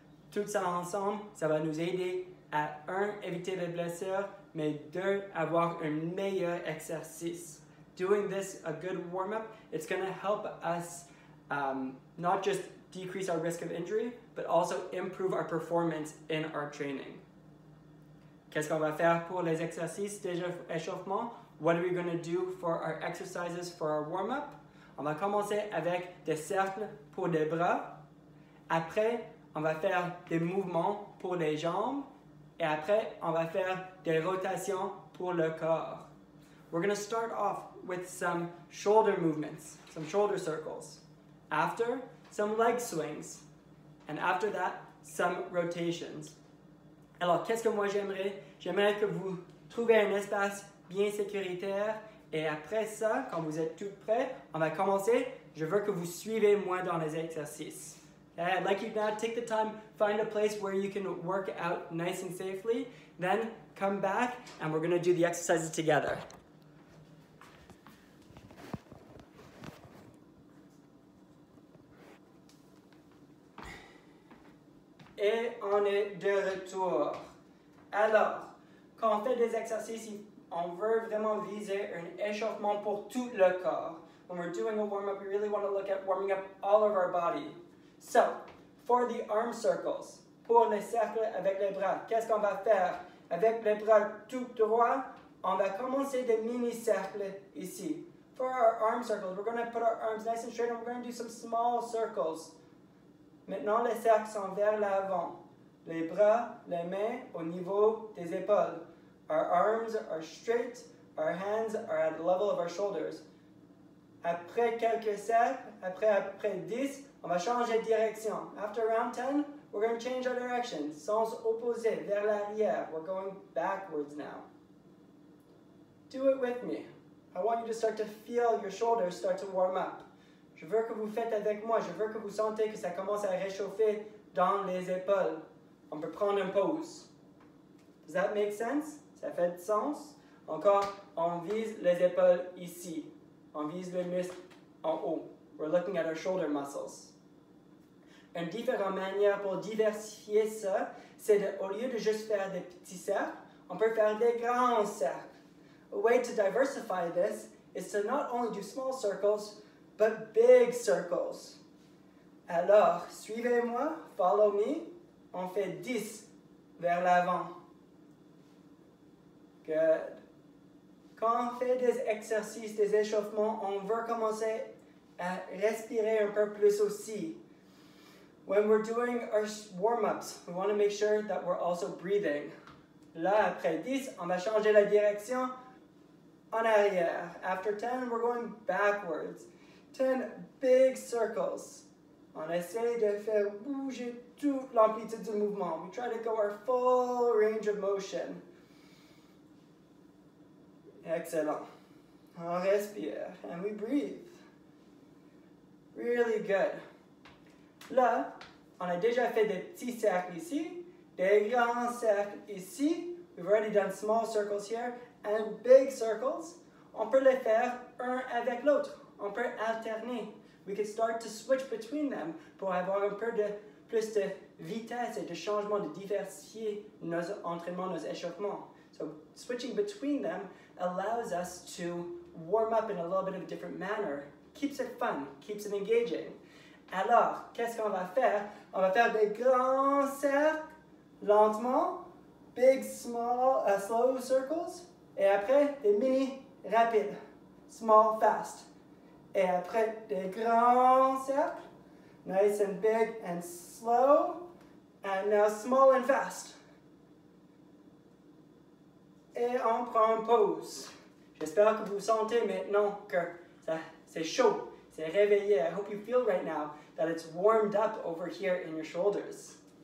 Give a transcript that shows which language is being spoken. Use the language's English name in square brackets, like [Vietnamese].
[French] Tout ça ensemble, ça va nous aider à un, éviter les blessures, mais deux, avoir un meilleur exercice. [English] Doing this, a good warm-up, it's going to help us not just decrease our risk of injury, but also improve our performance in our training. [French] Qu'est-ce qu'on va faire pour les exercices d'échauffement? [English] What are we going to do for our exercises for our warm-up? [French] On va commencer avec des cercles pour les bras. Après, on va faire des mouvements pour les jambes. Et après, on va faire des rotations pour le corps. [English] We're going to start off with some shoulder movements, some shoulder circles. After, some leg swings. And after that, some rotations. [French] Alors, qu'est-ce que moi j'aimerais? J'aimerais que vous trouviez un espace bien sécuritaire. Et après ça, quand vous êtes tout prêt, on va commencer. Je veux que vous suivez moi dans les exercices. [English] Okay, I'd like you now to take the time, find a place where you can work out nice and safely, then come back and we're going to do the exercises together. [French] Et on est de retour. Alors, quand on fait des exercices, on veut vraiment viser un échauffement pour tout le corps. [English] When we're doing a warm-up, we really want to look at warming up all of our body. So, for the arm circles, [French] pour les cercles avec les bras, qu'est-ce qu'on va faire? Avec les bras tout droit, on va commencer des mini-cercles ici. [English] For our arm circles, we're going to put our arms nice and straight and we're going to do some small circles. [French] Maintenant, les cercles sont vers l'avant. Les bras, les mains au niveau des épaules. [English] Our arms are straight, our hands are at the level of our shoulders. [French] Après quelques cercles, après 10, on va changer de direction. [English] After round 10, we're going to change our direction. [French] Sens opposé, vers l'arrière. [English] We're going backwards now. Do it with me. I want you to start to feel your shoulders start to warm up. [French] Je veux que vous faites avec moi. Je veux que vous sentez que ça commence à réchauffer dans les épaules. On peut prendre une pause. [English] Does that make sense? [French] Ça fait sens? Encore, on vise les épaules ici. On vise les muscles en haut. [English] We're looking at our shoulder muscles. [French] Une différente manière pour diversifier ça, c'est au lieu de juste faire des petits cercles, on peut faire des grands cercles. [English] A way to diversify this is to not only do small circles, but big circles. [French] Alors, suivez-moi, [English] follow me, [French] on fait 10 vers l'avant. [English] Good. [French] Quand on fait des exercices, des échauffements, on veut commencer à respirer un peu plus aussi. [English] When we're doing our warm-ups, we want to make sure that we're also breathing. [French] Là, après 10, on va changer la direction en arrière. [English] After 10, we're going backwards. 10 big circles. [French] On essaie de faire bouger toute l'amplitude du mouvement. [English] We try to go our full range of motion. Excellent. [French] On respire [English] and we breathe. Really good. [French] Là, on a déjà fait des petits cercles ici, des grands cercles ici. [English] We've already done small circles here and big circles. [French] On peut les faire un avec l'autre. On peut alterner. [English] We can start to switch between them [French] pour avoir un peu de plus de vitesse et de changement, de diversifier nos entraînements, nos échauffements. [English] So switching between them allows us to warm up in a little bit of a different manner. Keeps it fun, keeps it engaging. [French] Alors, qu'est-ce qu'on va faire? On va faire des grands cercles, lentement, [English] big, small, slow circles, [French] et après, des mini, rapides, [English] small, fast. [French] Et après, des grands cercles, [English] nice and big and slow, and now small and fast. [French] Et on prend une pause. J'espère que vous sentez maintenant que ça, c'est chaud, c'est réveillé. [English] I hope you feel right now that it's warmed up over here in your shoulders.